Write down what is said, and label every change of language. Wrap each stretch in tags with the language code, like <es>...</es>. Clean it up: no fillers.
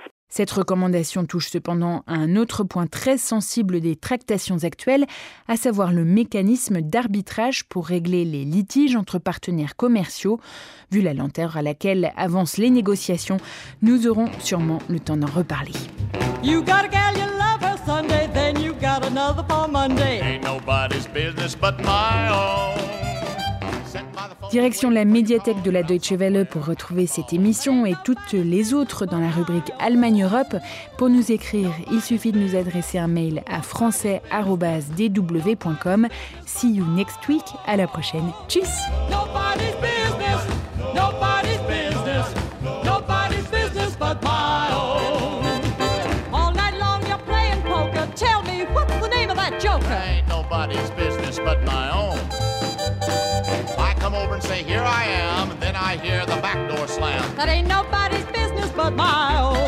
<fr>Cette recommandation touche cependant à un autre point très sensible des tractations actuelles, à savoir le mécanisme d'arbitrage pour régler les litiges entre partenaires commerciaux. Vu la lenteur à laquelle avancent les négociations, nous aurons sûrement le temps d'en reparler.</fr> <en>You got a girl you love her Sunday, then you got another for Monday. Ain't nobody's business but my own.</en> <fr>Direction la médiathèque de la Deutsche Welle pour retrouver cette émission et toutes les autres dans la rubrique Allemagne-Europe. Pour nous écrire, il suffit de nous adresser un mail à français@dw.com.</fr> <en>See you next week,</en> <fr>à la prochaine.</fr> <de>Tschüss.</de> <en>Nobody's business, nobody's business, nobody's business but my own. All night long you're playing poker, tell me what's the name of that joker. Ain't nobody's business but my own. Over and say, here I am, and then I hear the back door slam. That ain't nobody's business but mine.</en>